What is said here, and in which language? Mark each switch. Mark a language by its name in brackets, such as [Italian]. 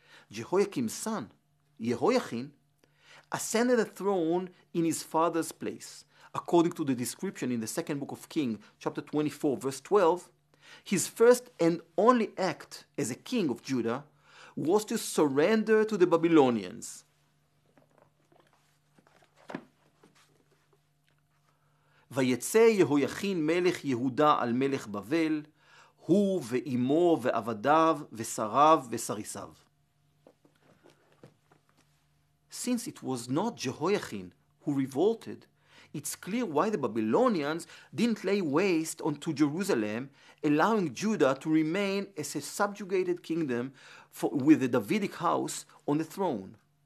[English] Jehoiakim's son, Jehoiachin, ascended the throne in his father's place. According to the description in the second book of Kings, chapter 24, verse 12, his first and only act as a king of Judah was to surrender to the Babylonians. [Hebrew] ויצא יהויכין מלך יהודה על מלך בבל, הוא ואימו ועבדיו ושריו ושריסיו. [English] Since it was not Jehoiachin who revolted, it's clear why the Babylonians didn't lay waste onto Jerusalem, allowing Judah to remain as a subjugated kingdom with the Davidic house on the throne.